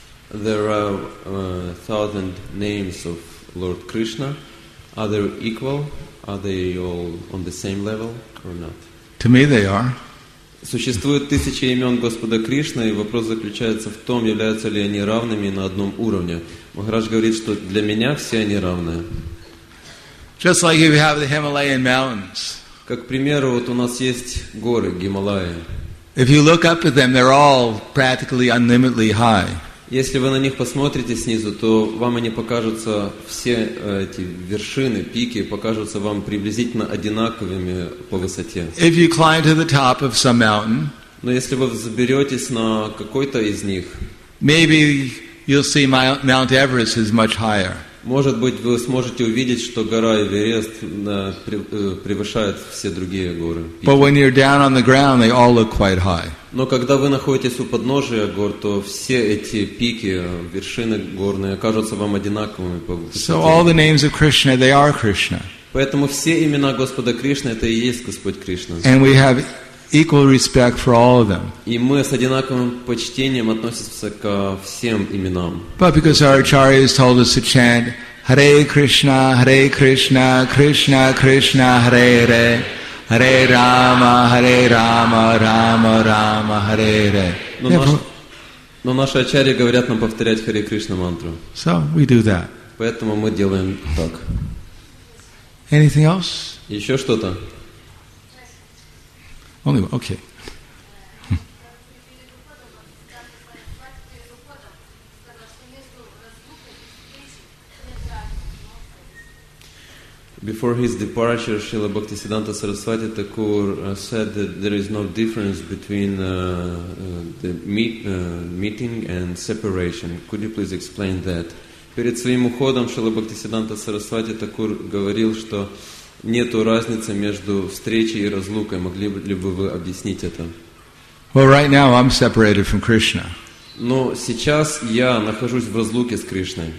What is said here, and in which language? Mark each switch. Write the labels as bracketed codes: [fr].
[en] there are thousand names of Lord Krishna. Are they equal? Are they all on the same level or not? To me, they are. [ru] Существует тысячи имен Господа Кришны, и вопрос заключается в том, являются ли они равными на одном уровне. Махарадж говорит, что для меня все они равны. [en] Just like you have the Himalayan mountains. [ru] Как к примеру, вот у нас есть горы Гималаи. [en] If you look up at them, they're all practically unlimitedly high. [ru] Если вы на них посмотрите снизу, то вам они покажутся, все эти вершины, пики, покажутся вам приблизительно одинаковыми по высоте. [en] If you climb to the top of some mountain, [ru] но если вы взберетесь на какой-то из них, [en] maybe you'll see Mount Everest is much higher. [ru] Может быть, вы сможете увидеть, что гора Эверест превышает все другие горы. [en] But when you're down on the ground, they all look quite high. [ru] Но когда вы находитесь у подножия гор, то все эти пики, вершины горные, кажутся вам одинаковыми. [en] So all the names of Krishna, they are Krishna. [ru] Поэтому все имена Господа Кришны, это и есть Господь Кришна. [en] And we have equal respect for all of them. [ru] И мы с одинаковым почтением относимся ко всем именам. [en] But because our acharyas told us to chant Hare Krishna, Krishna Krishna, Hare Hare. Hare Rama, Hare Rama, Rama Rama, Hare Hare. [ru] Но наши ачарьи говорят нам повторять Hare Krishna мантру. [en] So we do that. [ru] Поэтому мы делаем так. [en] Anything else? [ru] Еще что-то? [en] Only one. Okay. Before his departure, Srila Bhaktisiddhanta Saraswati Thakur said that there is no difference between meeting and separation. Could you please explain that? [ru] Перед своим уходом Шрила Бхактисиддханта Сарасвати Такур говорил, что нету разницы между встречей и разлукой. Могли ли бы вы объяснить это? [en] Well, right now I'm separated from Krishna. [ru] Но сейчас я нахожусь в разлуке с Кришной.